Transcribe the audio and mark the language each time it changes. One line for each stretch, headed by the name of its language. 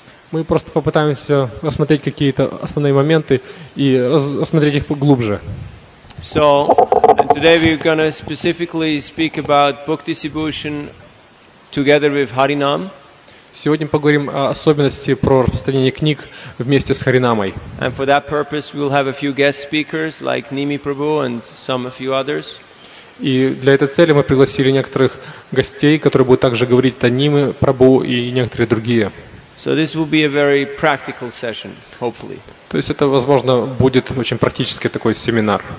Russian: Мы просто попытаемся рассмотреть какие-то основные моменты и рассмотреть их глубже.
English: So, and today we're going to specifically speak about book distribution together with Harinam.
Russian: Сегодня поговорим о особенности про распространение книг вместе с Харинамой.
English: And for that purpose, we will have a few guest speakers like Nimi Prabhu and some a few others.
Russian: И для этой цели мы пригласили некоторых гостей, которые будут также говорить о Ними Прабу и некоторые другие.
English: So this will be a very practical session, hopefully.
Russian: То есть это, возможно, будет очень практический такой семинар.